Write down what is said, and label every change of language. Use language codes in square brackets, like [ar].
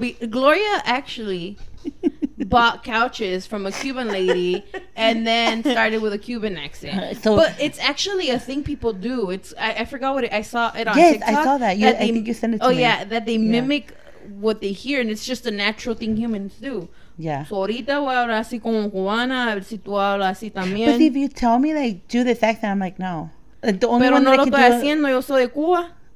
[en] Gloria actually bought couches from a Cuban lady and then started with a Cuban accent. So, but it's actually a thing people do. I forgot what it, I saw it on yes, TikTok. Yes, I saw that. I think you sent it to oh, me. Oh, yeah, that they mimic what they hear, and it's just a natural thing humans do. Yeah. [es] So ahorita voy a hablar así como cubana, a ver si tú hablas así también. [en] But if you tell me, like, do this accent, I'm like, no. The [es] only pero one no lo estoy haciendo, yo soy de Cuba.